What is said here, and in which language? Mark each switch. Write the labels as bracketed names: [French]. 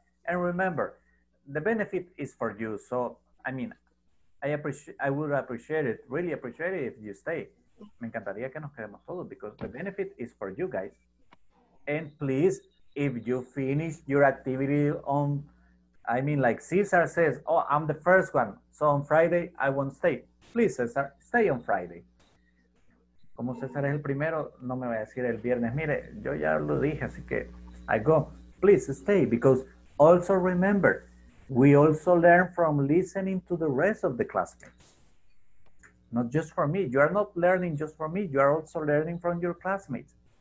[English] And remember, the benefit is for you. So, I mean, I would really appreciate it if you stay. [Spanish] Me encantaría que nos quedemos todos [English] because the benefit is for you guys. And please, if you finish your activity like Cesar says, oh, I'm the first one. So on Friday, I won't stay. Please, Cesar, stay on Friday. [Spanish] Como Cesar es el primero, no me va a decir el viernes. Mire, yo ya lo dije, así que [English] I go. Please stay, because also remember, we also learn from listening to the rest of the classmates. Not just for me. You are not learning just for me. You are also learning from your classmates.